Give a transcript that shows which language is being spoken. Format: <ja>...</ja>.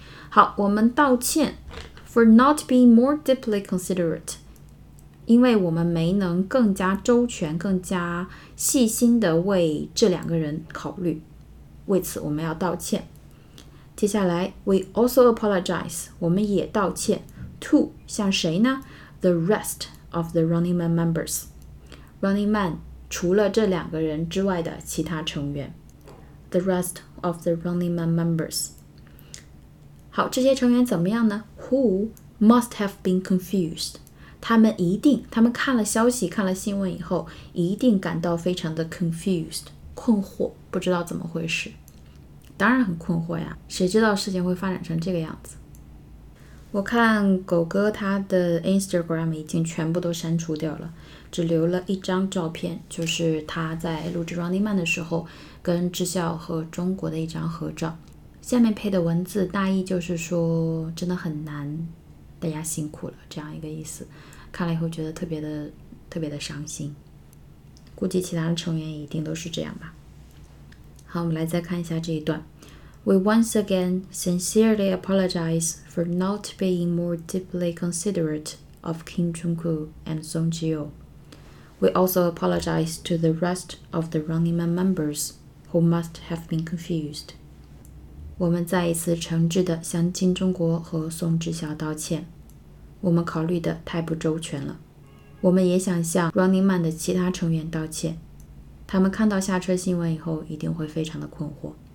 <zh>好，我们道歉</zh> <en>For not being more deeply considerate，</en> <zh>因为我们没能更加周全更加细心的为这两个人考虑，为此我们要道歉。接下来</zh> <en>We also apologize，</en> <zh>我们也道歉。 To 向谁呢？</zh> <en>The rest of the Running Man members，</en> <zh>Running Man 除了这两个人之外的其他成员。</zh> <en>The rest of the Running Man members。</en> <zh>好，这些成员怎么样呢？</zh> <en>Who must have been confused，</en> <zh>他们一定，他们看了消息看了新闻以后一定感到非常的 confused， 困惑，不知道怎么回事。当然很困惑呀，谁知道事情会发展成这个样子。我看狗哥他的 Instagram 已经全部都删除掉了，只留了一张照片，就是他在录制 Running Man 的时候跟智孝和中国的一张合照，下面配的文字大意就是说真的很难，大家辛苦了，这样一个意思。看了以后觉得特别的伤心，估计其他的成员一定都是这样吧。好，我们来再看一下这一段。</zh> <en>We once again sincerely apologize for not being more deeply considerate of Kim Jong-kook and Song Ji-ho. We also apologize to the rest of the Running Man members who must have been confused.</en> <zh>我们再一次诚挚地向金钟国和宋智孝道歉，我们考虑的太不周全了。我们也想向 Running Man 的其他成员道歉，他们看到下车新闻以后一定会非常的困惑。</zh>